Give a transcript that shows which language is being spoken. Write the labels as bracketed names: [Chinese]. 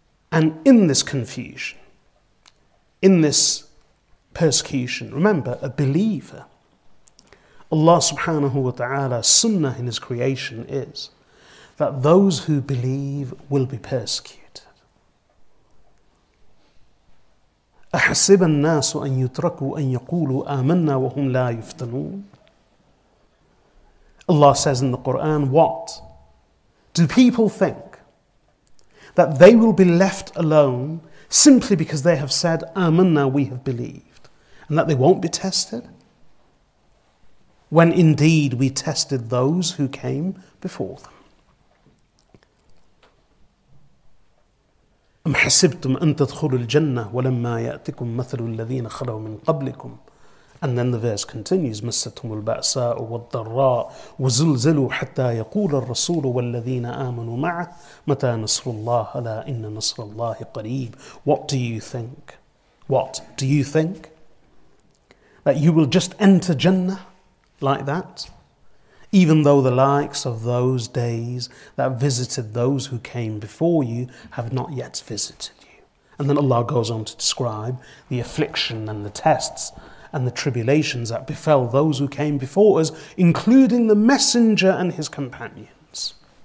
[English] And in this confusion, in this persecution, remember, a believer, Allah subhanahu wa ta'ala's sunnah in his creation is that those who believe will be persecuted. [Arabic] أَحَسِبَ النَّاسُ أَن يُتْرَكُوا أَن يَقُولُوا آمَنَّا وَهُمْ لَا يُفْتَنُونَ [English] Allah says in the Quran, what do people think? That they will be left alone simply because they have said, Amanna, we have believed, and that they won't be tested? When indeed we tested those who came before them. [Arabic] أَمْ حَسِبْتُمْ أَن تَدْخُلُوا الْجَنَّةِ وَلَمَّا يَأْتِكُمْ مَثَلُ الَّذِينَ خَلَوْا مِنْ قَبْلِكُمْ [English] And then the verse continues, [Arabic] مَسَّتُمُ الْبَأْسَاءُ وَالضَّرَّاءُ وَزُلْزِلُوا حَتَّى يَقُولَ الرَّسُولُ وَالَّذِينَ آمَنُوا مَعَهُ مَتَى نَصْرُ اللَّهِ أَلَا إِنَّ نَصْرَ اللَّهِ قَرِيبٌ [English] What do you think? What do you think? That you will just enter Jannah like that? Even though the likes of those days that visited those who came before you have not yet visited you. And then Allah goes on to describe the affliction and the tests and the tribulations that befell those who came before us, including the messenger and his companions.